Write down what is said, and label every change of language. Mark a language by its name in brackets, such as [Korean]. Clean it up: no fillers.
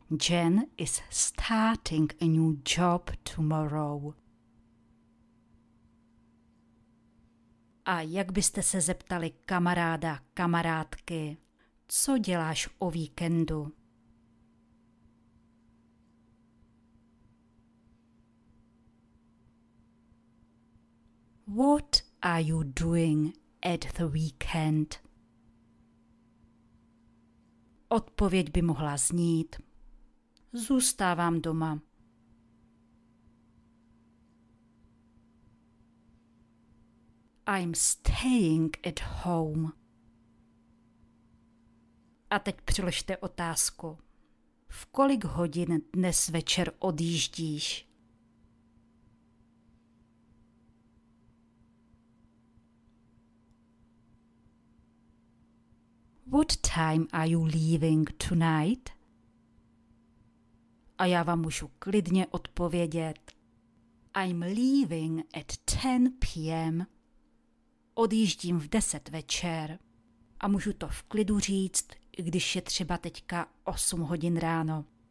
[English] Jen is starting a new job tomorrow. [Czech] A jak byste se zeptali kamaráda, kamarádky, co děláš o víkendu? [English] What are you doing at the weekend? [Czech] Odpověď by mohla znít: Zůstávám doma. [English] I'm staying at home. [Czech] A teď přiložte otázku: V kolik hodin dnes večer odjíždíš? [English] What time are you leaving tonight? [Czech] A já vám můžu klidně odpovědět: [English] I'm leaving at 10 p.m. [Czech] Odjíždím v 10 večer a můžu to v klidu říct, i když je třeba teďka 8 hodin ráno.